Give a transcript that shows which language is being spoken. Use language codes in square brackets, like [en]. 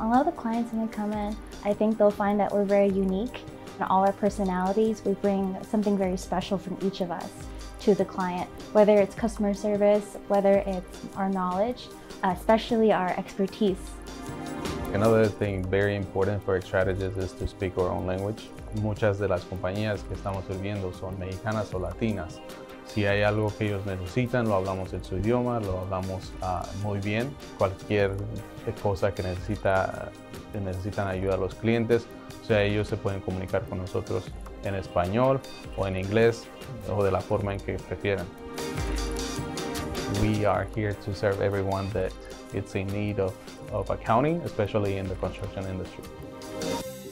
[en] A lot of the clients when they come in, I think they'll find that we're very unique in all our personalities. We bring something very special from each of us to the client, whether it's customer service, whether it's our knowledge, especially our expertise. Another thing very important for Xtrategist is to speak our own language. [es] Muchas de las compañías que estamos sirviendo son mexicanas o latinas. Si hay algo que ellos necesitan, lo hablamos en su idioma, lo hablamos muy bien. Cualquier cosa que necesitan ayuda a los clientes, o sea, ellos se pueden comunicar con nosotros en español o en inglés o de la forma en que prefieran. [en] We are here to serve everyone that is in need of accounting, especially in the construction industry.